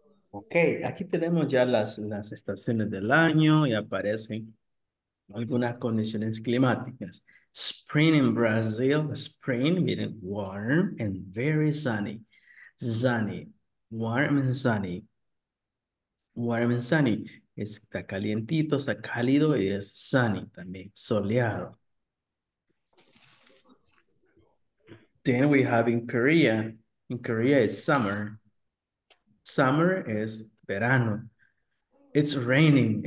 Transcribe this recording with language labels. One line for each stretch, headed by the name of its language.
Spanish: Okay, aquí tenemos ya las estaciones del año y aparecen algunas condiciones climáticas.
English: Spring in Brazil, spring, meaning warm and very sunny. Sunny, warm and sunny. Warm and sunny.
Spanish: Está calientito, está cálido y es sunny también, soleado.
English: Then we have in Korea. In Korea is summer. Summer is verano. It's raining.